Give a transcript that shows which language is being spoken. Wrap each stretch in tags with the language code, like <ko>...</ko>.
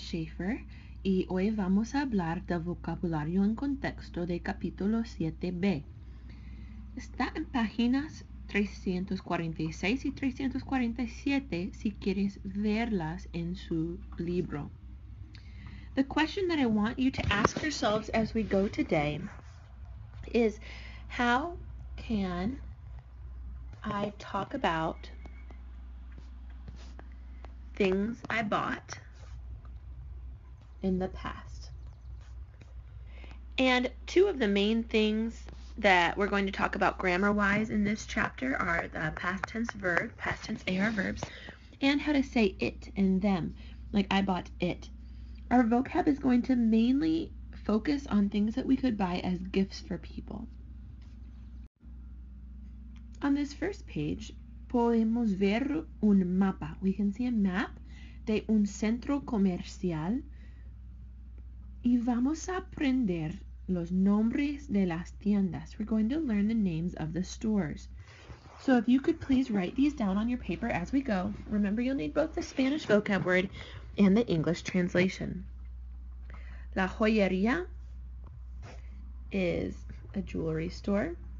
<es>Schaefer y hoy vamos a hablar del vocabulario en contexto de capítulo 7b. Está en páginas 346 y 347 si quieres verlas en su libro.</es> <en>The question that I want you to ask yourselves as we go today is, how can I talk about things I bought in the past? And two of the main things that we're going to talk about grammar-wise in this chapter are the past tense verb, past tense AR verbs, and how to say it and them, like I bought it. Our vocab is going to mainly focus on things that we could buy as gifts for people. On this first page,</en> <es>podemos ver un mapa.</es> <en>We can see a map</en> <es>de un centro comercial y vamos a aprender los nombres de las tiendas.</es> <en>We're going to learn the names of the stores. So if you could please write these down on your paper as we go. Remember, you'll need both the Spanish vocab word and the English translation. La joyería is a jewelry store.</en>